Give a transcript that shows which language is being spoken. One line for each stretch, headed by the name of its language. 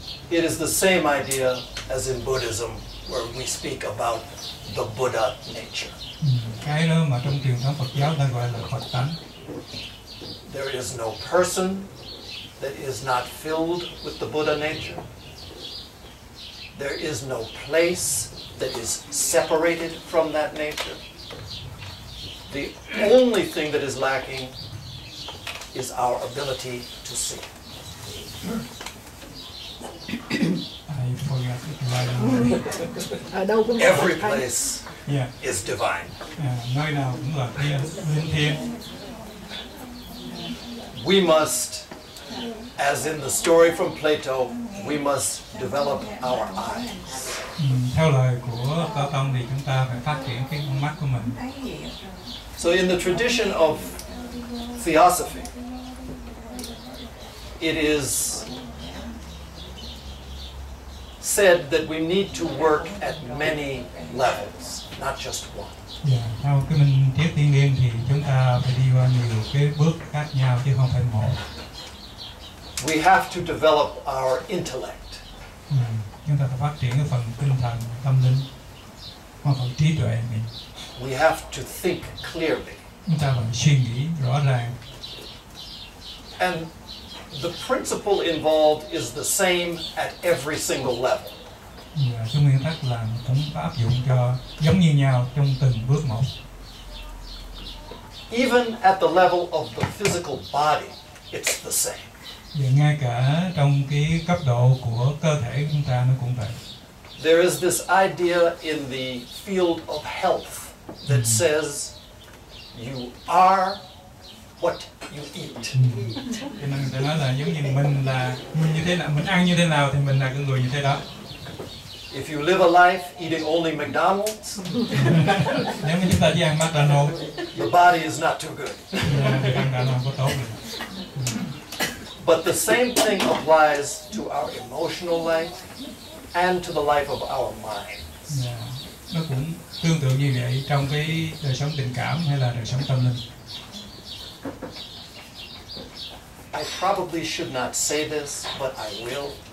English: It is the same idea as in Buddhism, where we speak about the Buddha nature.
Vietnamese: Cái đó mà trong truyền thống Phật giáo ta gọi là Phật tánh.
English: There is no person that is not filled with the Buddha nature. There is no place that is separated from that nature. The only thing that is lacking is our ability to see. I forgot the divine. Every place is divine.
Vietnamese: Nơi nào cũng là thiên.
English: We must, as in the story from Plato, we must develop our eyes.
Vietnamese: Theo lời của Tổ Tông thì chúng ta phải phát triển cái con mắt của mình.
English: So in the tradition of theosophy, it is said that we need to work at many levels, not just one.
Vietnamese: Yeah, theo cái mình thuyết thiên niên thì chúng ta phải đi qua nhiều cái bước khác nhau chứ không phải một.
English: We have to develop our intellect.
Vietnamese: Chúng ta phải phát triển cái phần tinh thần, tâm linh, và phần trí tuệ mình.
English: We have to think clearly.
Vietnamese: Chúng ta phải suy nghĩ rõ ràng.
English: And the principle involved is the same at every single level.
Vietnamese: Cái nguyên tắc là cũng áp dụng cho giống như nhau trong từng bước một.
English: Even at the level of the physical body, it's the same.
Vietnamese: Và ngay cả trong cái cấp độ của cơ thể chúng ta nó cũng vậy.
English: There is this idea in the field of health that says you are what you eat.
Vietnamese: Cho nên người ta nói là giống như mình là mình như thế nào, mình ăn như thế nào thì mình là cái người như thế đó.
English: If you live a life eating only McDonald's,
Vietnamese: nếu mà chúng ta chỉ ăn McDonald's,
English: your body is not too good.
Vietnamese: Ăn đó không có tốt.
English: But the same thing applies to our emotional life and to the life of our minds. Yeah.
Vietnamese: Nó cũng tương tự như vậy trong cái đời sống tình cảm hay là đời sống tâm linh.
English: I probably should not say this, but I will.